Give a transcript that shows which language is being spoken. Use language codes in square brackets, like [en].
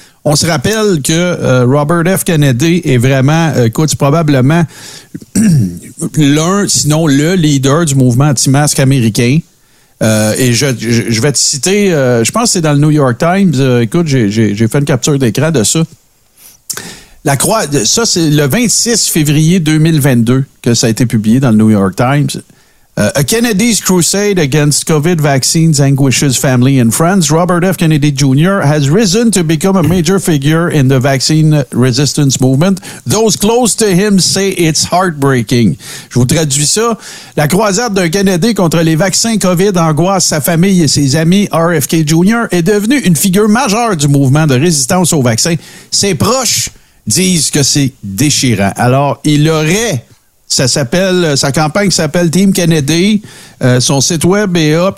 [fr] On se rappelle que Robert F. Kennedy est vraiment, écoute, probablement l'un, sinon le leader du mouvement anti-masque américain. Et je vais te citer, je pense que c'est dans le New York Times, écoute, j'ai fait une capture d'écran de ça. La croix, ça c'est le 26 février 2022 que ça a été publié dans le New York Times. [en] A Kennedy's crusade against COVID vaccines anguishes family and friends. Robert F. Kennedy Jr. has risen to become a major figure in the vaccine resistance movement. Those close to him say it's heartbreaking. [fr] Je vous traduis ça. La croisade d'un Kennedy contre les vaccins COVID angoisse sa famille et ses amis. RFK Jr. est devenu une figure majeure du mouvement de résistance aux vaccins. Ses proches disent que c'est déchirant. Alors, il aurait, sa campagne s'appelle Team Kennedy, son site web est up.